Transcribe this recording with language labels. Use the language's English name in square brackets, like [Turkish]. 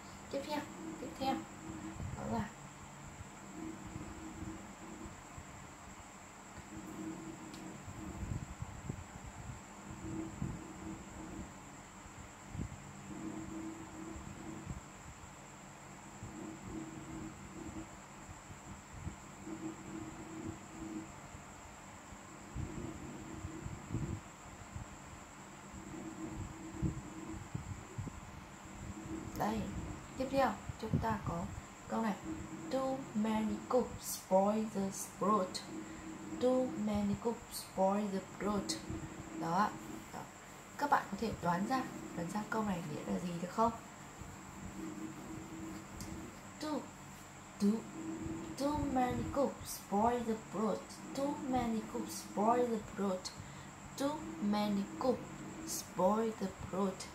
[Vietnamese] Tiếp theo đó là đây. Tiếp theo chúng ta có câu này: [English] "Too many cooks spoil the sprout". Too many cooks spoil the sprout. [Vietnamese] Đó. Các bạn có thể đoán ra câu này nghĩa là gì được không? [English] Too many cooks spoil the sprout. Too many cooks spoil the sprout. Too many cooks spoil the sprout.